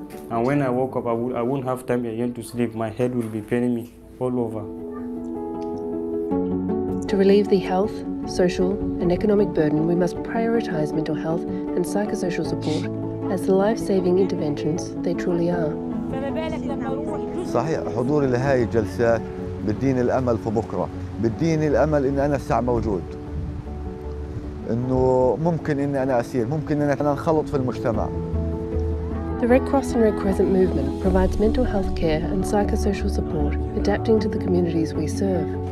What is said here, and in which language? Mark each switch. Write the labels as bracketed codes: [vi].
[en] And when I woke up, I wouldn't have time again to sleep. My head will be paining me all over. To relieve the health, social, and economic burden, we must prioritize mental health and psychosocial support as the life-saving interventions they truly are. [ar] صحيح حضوري لهاي الجلسات بديني الامل في بكره بديني الامل ان انا الساعه موجود انه ممكن اني انا اسير ممكن اني انا انخلط في المجتمع. [en] The Red Cross and Red Crescent movement provides mental health care and psychosocial support adapting to the communities we serve.